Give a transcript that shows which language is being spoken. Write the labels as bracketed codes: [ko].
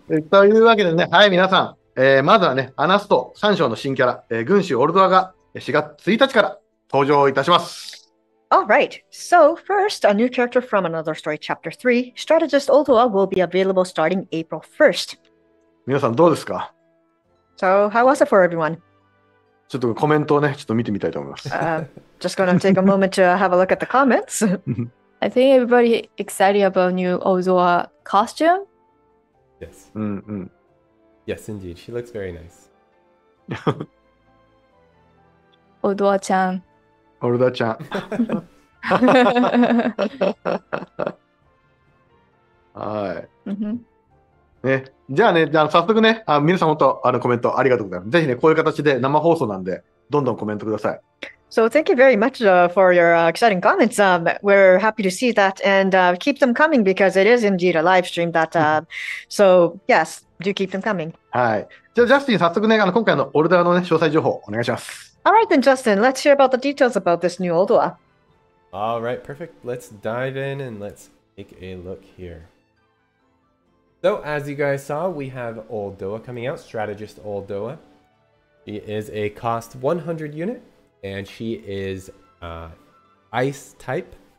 [ja] というわけでね、はい、皆さん、まずはね、アナスト三章の新キャラ、軍師オルドアが4月1日から登場いたします。 [en] Alright, so first, a new character from Another Story Chapter 3, Strategist オルドア will be available starting April 1st. [ja] 皆さん、どうですか? [en] So, how was it for everyone? [ja] ちょっとコメントをね、ちょっと見てみたいと思います。 [en] Just gonna take a moment to have a look at the comments. I think everybody excited about new Ozawa costume. Yes. Mm-hmm. Yes, indeed. She looks very nice. Ozawa-chan. Ozawa-chan. Hi. [ja] ね、じゃあね、じゃあ早速ね、あ、皆さん本当あのコメントありがとうございます。ぜひね、こういう形で生放送なんで、どんどんコメントください。 [en] So thank you very much for your exciting comments. We're happy to see that and keep them coming because it is indeed a live stream that, so yes, do keep them coming. [ja] はい。じゃあ、ジャスティン、早速ね、あの今回のオルダーの、ね、詳細情報お願いします。 [en] All right then, Justin, let's hear about the details about this new Odawa. All right, perfect. Let's dive in and let's take a look here. So, as you guys saw, we have Odawa coming out, Strategist Odawa. She is a cost 100 unit, and she is Ice type.